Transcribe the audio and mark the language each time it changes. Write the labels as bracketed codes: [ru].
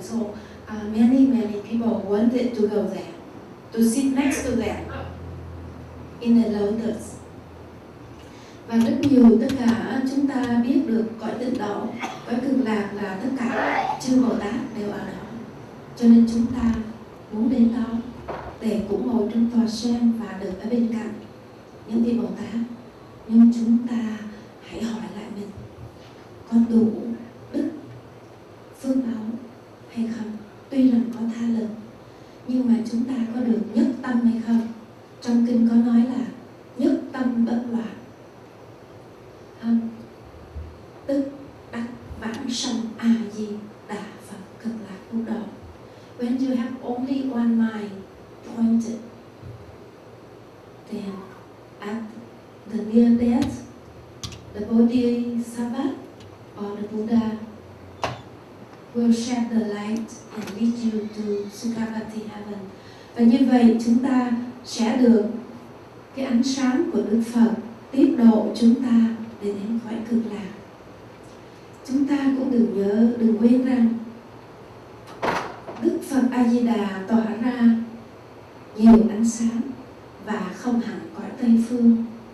[en] So many, many people wanted to go there, to sit next to them in a lotus. [vi] Và rất nhiều, tất cả chúng ta biết được cõi tịnh độ, cõi cực lạc là tất cả chư Bồ Tát đều ở đó. Cho nên chúng ta muốn đến đó để cũng ngồi trong tòa sen và được ở bên cạnh những vị Bồ Tát. Nhưng chúng ta hãy hỏi lại mình, có đủ đức phước báo hay không? Tuy rằng có tha lực, nhưng mà chúng ta có được nhất tâm hay không? Trong kinh có nói là nhất tâm bất loạn, tức đắc vãng sanh A Di Đà Phật cực lạc lúc đầu. [en] When you have only one mind pointed, then at the near death, the Bodhisattva or the Buddha will shed the light and lead you to Sukhavati heaven. [vi] Và như vậy chúng ta sẽ được cái ánh sáng của Đức Phật tiếp độ chúng ta để đến khỏi cực lạc. Chúng ta cũng đừng nhớ, đừng quên rằng Đức Phật A Di Đà tỏa ra nhiều ánh sáng và không hẳn cõi Tây phương.